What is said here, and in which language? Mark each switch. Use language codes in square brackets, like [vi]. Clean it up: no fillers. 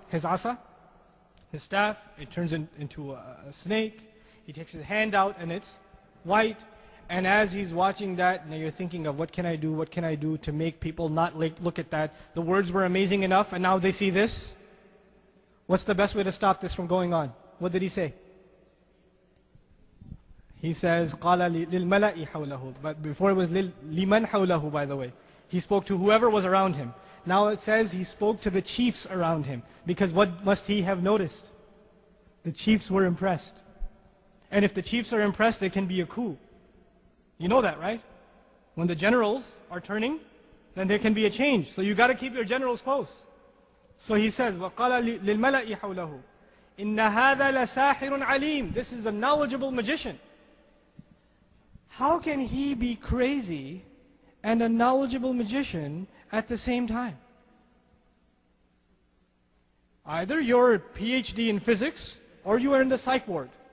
[en] His asa, his staff. It turns into a snake. He takes his hand out and it's white. And as he's watching that, now you're thinking of, what can I do? What can I do to make people not look at that? The words were amazing enough and now they see this. What's the best way to stop this from going on? What did he say? He says, [ar] قَالَ لِلْمَلَأِ حَوْلَهُ. [en] But before it was [ar] لِمَنْ حَوْلَهُ, [en] by the way. He spoke to whoever was around him. Now it says he spoke to the chiefs around him. Because what must he have noticed? The chiefs were impressed. And if the chiefs are impressed, there can be a coup. You know that, right? When the generals are turning, then there can be a change. So you got to keep your generals close. So he says, [ar] وَقَالَ لِلْمَلَأِ حَوْلَهُ إِنَّ هَذَا لَسَاحِرٌ عَلِيمٌ. [en] This is a knowledgeable magician. How can he be crazy and a knowledgeable magician at the same time? Either you're a PhD in physics or you are in the psych ward.